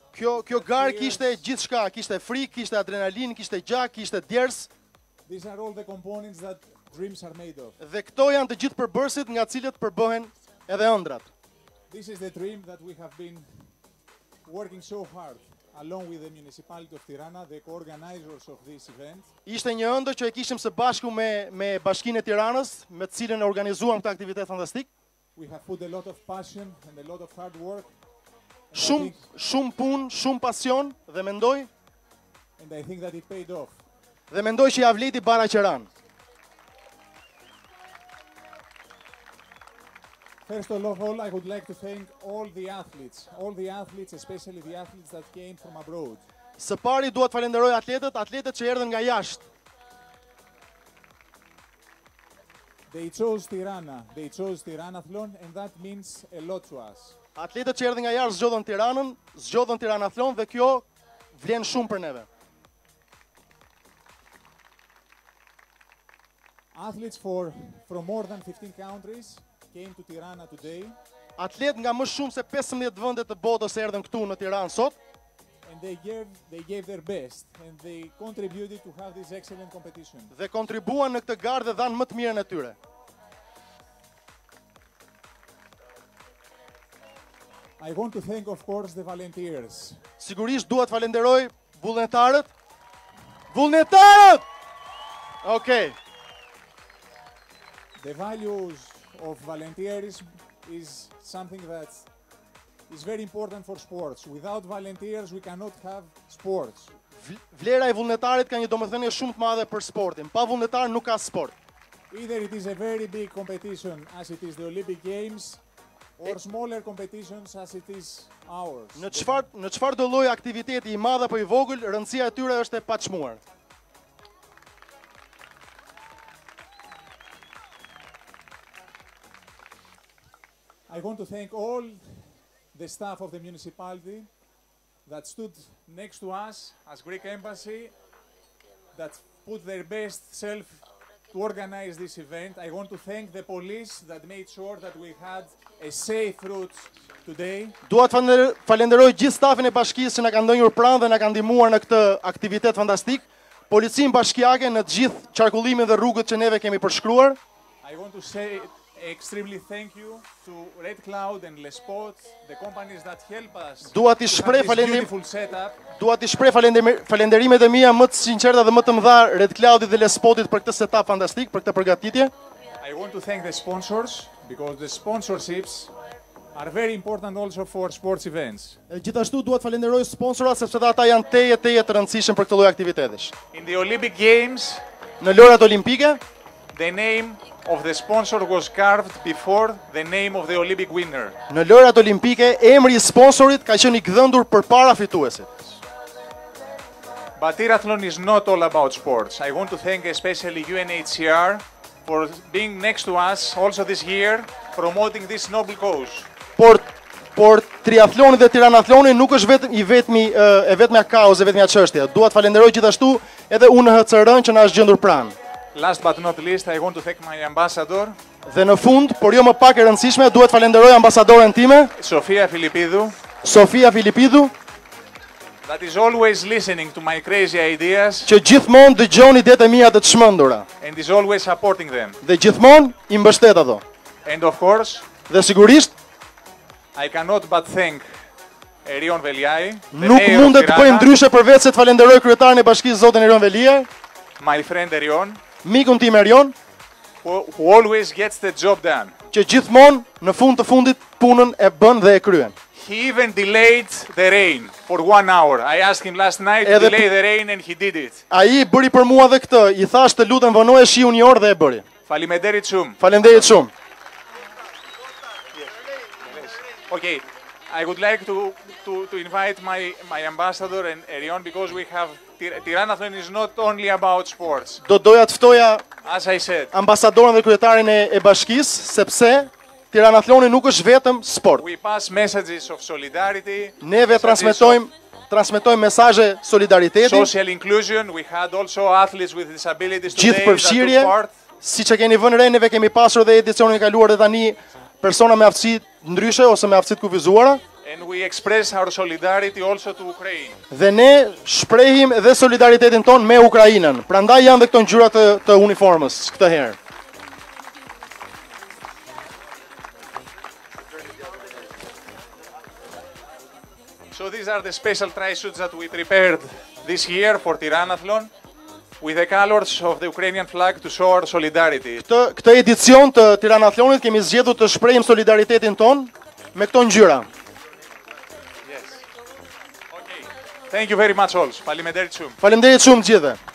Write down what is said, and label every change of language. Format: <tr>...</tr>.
<sq>Kjo garë kishte gjithçka, kishte frikë, kishte adrenalin, kishte gjak, kishte djers.</sq> <en>These are all the components that dreams are made of.</en> <sq>Dhe këto janë të gjithë përbërësit nga cilët përbëhen edhe ëndrat.</sq> <en>This is the dream that we have been working so hard along with the municipality of Tirana, the co-organizers of this event.</en> <sq>Ishte një ëndër që e kishim së bashku me Bashkinë e Tiranës, me të cilën organizuam këtë aktivitet fantastik.</sq> <en>We have put a lot of passion and a lot of hard work.</en> <sq>Shumë punë, shumë pasion dhe mendoj.</sq> <en>And I think that it paid off.</en> <sq>Dhe mendoj që ia vleti bara që ran.</sq> <en>First of all, I would like to thank all the athletes, especially the athletes that came from abroad.</en> <sq>Së pari dua të falenderoj atletët që erdhën nga jashtë.</sq> <en>They chose Tiranathlon, and that means a lot to us.</en> <sq>Atletët që erdhën nga jashtë zgjodhën Tiranën, zgjodhën Tiranathlon, dhe kjo vlen shumë për neve.</sq> <en>Athletes from more than 15 countries came to Tirana today.</en> <sq>Atlet nga më shumë se 15 vende të botës erdhën këtu në Tiranë sot.</sq> <en>And they gave their best and they contributed to have this excellent competition.</en> <sq>Dhe kontribuan në këtë garë dhe dhanë më të mirën e tyre.</sq> <en>I want to thank of course the volunteers.</en> <sq>Sigurisht dua të falenderoj vullnetarët. Vullnetarët! Okay.</sq> <en>The values of volunteerism is something that is very important for sports. Without volunteers we cannot have sports.</en> <sq>Vlera e vullnetarit ka një domethënie shumë të madhe për sportin. Pa vullnetar nuk ka sport.</sq> <en>Either it is a very big competition as it is the Olympic Games or smaller competitions as it is ours.</en> <sq>Në çfarë do lloj aktiviteti i madh apo i vogël, rëndësia e tyre është e paçmuar.</sq> <en>I want to thank all the staff of the municipality that stood next to us as Greek embassy that put their best self to organize this event. I want to thank the police that made sure that we had a safe route today.</en> <sq>Dua të falenderoj gjithë stafin e bashkisë që na ka ndonjur pranë dhe na ka ndihmuar në këtë aktivitet fantastik. Policinë bashkiake në të gjithë qarkullimin dhe rrugët që neve kemi përshkruar.</sq> <en>I want to say extremely thank you to Red Cloud and Lespot, the companies that help us.</en> <sq>Dua t'i shpreh falënderimet e mia më të sinqerta dhe më të mëdha Red Cloudit dhe Lespotit për këtë setup fantastik, për këtë përgatitje.</sq> <en>I want to thank the sponsors because the sponsorships are very important also for sports events.</en> <sq>Gjithashtu dua të falenderoj sponsorat sepse ata janë teje të rëndësishëm për këtë lloj aktivitetesh.</sq> <en>In the Olympic Games,</en> <sq>në lojrat olimpike,</sq> <en>the name of the sponsor was carved before the name of the Olympic winner.</en> <sq>Në lojrat olimpike, emri i sponsorit ka qenë i gdhëndur përpara fituesit.</sq> <en>But Tiranathlon is not all about sports. I want to thank especially UNHCR for being next to us also this year promoting this noble cause.</en> <sq>Por triathloni dhe tiranathloni nuk është vetëm çështja. Dua të falenderoj gjithashtu edhe UNHCR-n që na është gjendur pranë.</sq> <en>Last but not least, I want to thank my ambassador.</en> <sq>Dhe në fund, por jo më pak e rëndësishme, duhet të falenderoj ambasadoren time, Sofia Filipidu.</sq> <en>That is always listening to my crazy ideas.</en> <sq>Që gjithmonë dëgjon idetë mia të çmendura.</sq> <en>And is always supporting them.</en> <sq>Dhe gjithmonë i mbështet ato.</sq> <en>And of course,</en> <sq>dhe sigurisht</sq> <en>I cannot but thank Erion Veliaj.</en> <sq>Nuk mundet të bëjmë ndryshe përveç se të falenderoj kryetarin e bashkisë zotin Erion Veliaj.</sq> <en>My friend Erion.</en> <sq>Mikun tim Erion.</sq> <en>Who always gets the job done.</en> <sq>Që gjithmonë në fund të fundit punën e bën dhe e kryen.</sq> <en>He even delayed the rain for one hour. I asked him last night to delay the rain and he did it.</en> <sq>Ai bëri për mua edhe këtë. I thash të lutem vënoje shiu një orë dhe e bëri. Faleminderit shumë. Faleminderit shumë. Okay.</sq> <en>I would like to invite my ambassador and Erion because we have Tiranathlon is not only about sports.</en> <sq>Do doja të ftoja,</sq> <en>as I said,</en> <sq>ambasadorin dhe kryetarin e bashkisë sepse Tiranathloni nuk është vetëm sport.</sq> <en>We pass messages of solidarity.</en> <sq>Neve transmetojmë mesazhe solidariteti.</sq> <en>Social inclusion, we had also athletes with disabilities today.</en> <sq>Gjithpërfshirje, siç e keni vënë re, neve kemi pasur edhe edicionin e kaluar dhe tani persona me aftësi ndryshe ose me aftësi të kufizuara.</sq> <en>And we express our solidarity also to Ukraine.</en> <sq>Dhe ne shprehim edhe solidaritetin ton me Ukrainën. Prandaj janë dhe këto ngjyra të uniformës këtë herë.</sq> <en>So these are the special tri-suits that we prepared this year for Tiranathlon with the colors of the Ukrainian flag to show our solidarity.</en> <sq>Këtë edicion të Tiranathlonit kemi zgjedhur të shprehim solidaritetin ton me këto ngjyra.</sq> <en>Yes. Okay. Thank you very much all.</en> <sq>Faleminderit shumë. Faleminderit shumë gjithë.</sq>